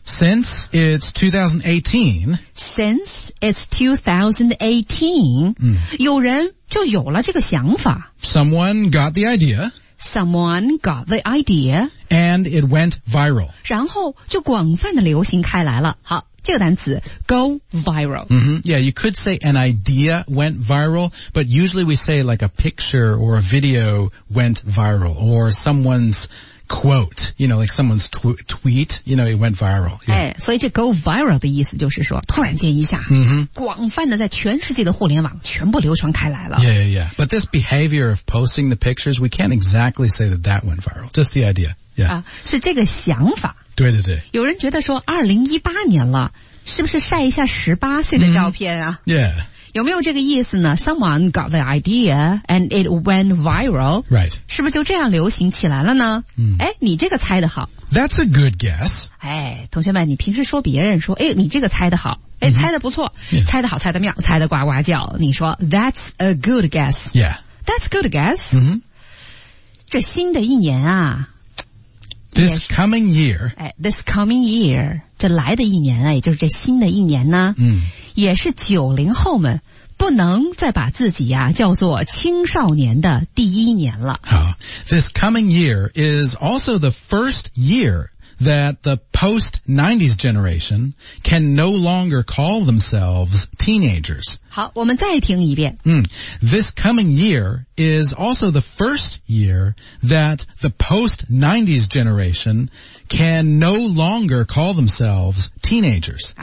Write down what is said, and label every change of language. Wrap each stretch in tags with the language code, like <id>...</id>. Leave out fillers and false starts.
<en>Since it's 2018. Since it's 2018.、</en> <zh>有人就有了这个想法。</zh> <en>Someone got the idea. Someone got the idea. And it went viral.</en> <zh>然后就广泛的流行开来了。好。这个单词 go viral、</zh> <en>Yeah, you could say an idea went viral, but usually we say like a picture or a video went viral, or someone's quote, you know, like someone's tweet, you know, it went viral. Yeah.</en> <zh>哎，所以这 go viral 的意思就是说，突然间一下，广泛的在全世界的互联网全部流传开来了。</zh> <en>Yeah, yeah, yeah. But this behavior of posting the pictures, we can't exactly say that that went viral. Just the idea. Yeah.</en> <zh>啊，是这个想法。对对对。有人觉得说，2018年了，是不是晒一下18岁的照片啊？</zh> <en>Yeah.</en> <zh>有没有这个意思呢</zh> <en>?Someone got the idea and it went viral. Right.</en> <zh>是不是就这样流行起来了呢哎你这个猜得好。</zh> <en>That's a good guess.</en> <zh>哎同学们你平时说别人说哎你这个猜得好。哎猜得不错。猜得好猜得妙猜得呱呱叫。你说</zh> <en>That's a good guess. Yeah. That's a good guess.、 Mm-hmm.</en> <zh>这新的一年啊。</zh> <en>This coming year. 哎 ,this coming year.</en> <zh>这来的一年啊也就是这新的一年呢。也是90后们不能再把自己啊叫做青少年的第一年了。</zh> <en>好 ,this coming year is also the first year that the post-90s generation can no longer call themselves teenagers.</en> <zh>好我们再听一遍。</zh> <en>This coming year is also the first year that the post-90s generation can no longer call themselves teenagers.</en>